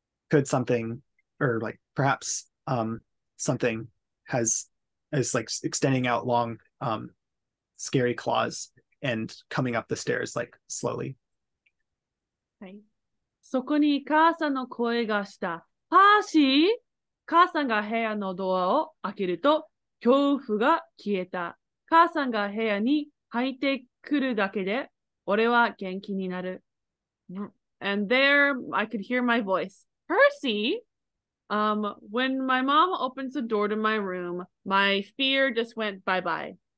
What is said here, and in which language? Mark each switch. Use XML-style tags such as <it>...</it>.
<en>could something or like perhaps something is extending out long scary claws and coming up the stairs like slowly.</en> <ja>そこに母さんの声がした。パーシー、母さんが部屋のドアを開けると恐怖が消えた。母さんが部屋に入ってくるだけで俺は元気になる。</ja> <en>And there I could hear my voice. Percy, when my mom opens the door to my room, my fear just went bye-bye.</en>